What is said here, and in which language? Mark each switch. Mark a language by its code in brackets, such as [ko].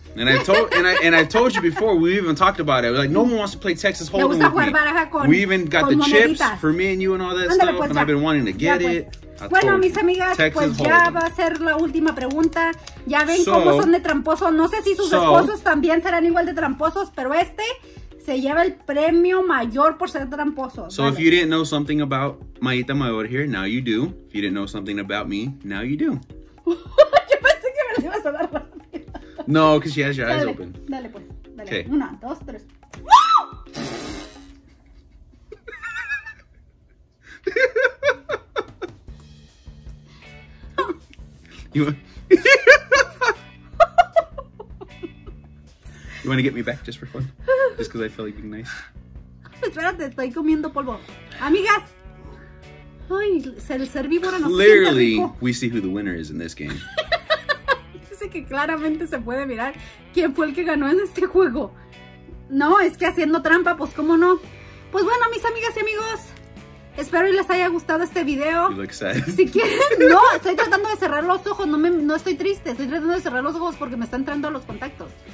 [en] And I told you before, we even talked about it. We're like, no one wants to play Texas Hold'em with me. We even got the chips for me and you and all that stuff. And I've been wanting to get it. [es] Bueno, mis amigas, pues ya va a ser la última pregunta. Ya ven cómo son de tramposos. No sé si sus esposos también serán igual de tramposos, pero este se lleva el premio mayor por ser tramposo. [en] So if you didn't know something about Mayita Mayor here, now you do. If you didn't know something about me, now you do. [es] Yo pensé que me lo ibas a dar. [en] No, because she has your eyes open. [es] Dale, pues. Dale. Okay. Una, dos, tres. ¡Woo! [en] You want to get me back just for fun? Just because I feel like being nice? [es] Espérate, estoy comiendo polvo. Amigas. Ay, el servívoro nos siente rico. [en] Clearly, we see who the winner is in this game. [es] Que claramente se puede mirar quién fue el que ganó en este juego. No, es que haciendo trampa, pues cómo no. Pues bueno, mis amigas y amigos, espero y les haya gustado este video. [en] You look sad. [es] Si quieren, no, estoy tratando de cerrar los ojos, no estoy triste, estoy tratando de cerrar los ojos porque me está entrando a los contactos.